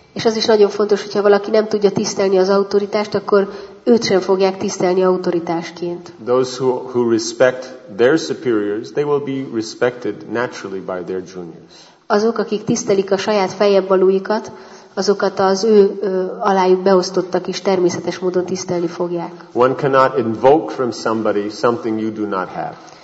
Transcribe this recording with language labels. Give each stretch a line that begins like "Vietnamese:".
Hungarian: És az is nagyon fontos, hogyha valaki nem tudja tisztelni az autoritást, akkor őt sem fogják tisztelni autoritásként.
English: Those who respect their superiors, they will be respected naturally by their juniors.
Hungarian: Azok, akik tisztelik a saját feljebb valóikat, azokat az ő alájuk beosztottak is természetes módon tisztelni fogják.
English: One cannot invoke from somebody something you do not have.